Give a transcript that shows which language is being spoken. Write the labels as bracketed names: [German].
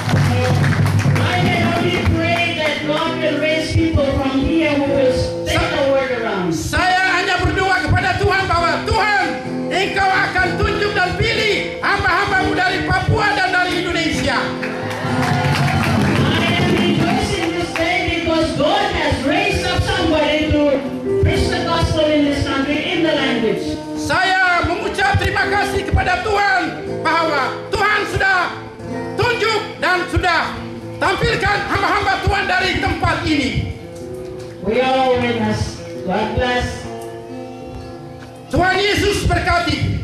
[English] So, I can only pray that God will raise people from here who will spread the word around. [Indonesian] Saya hanya berdoa kepada Tuhan bahwa Tuhan, Engkau akan tunjuk dan pilih hamba-hambamu dari Papua dan dari Indonesia. [English] I am rejoicing this day because God has raised up somebody to preach the gospel in this country in the language. [Indonesian] Saya mengucap terima kasih kepada Tuhan bahwa Tuhan sudah tunjuk dan sudah tampilkan hamba-hamba Tuhan dari tempat ini. [English] We are all with us. God bless. [Indonesian] Tuhan Yesus berkati.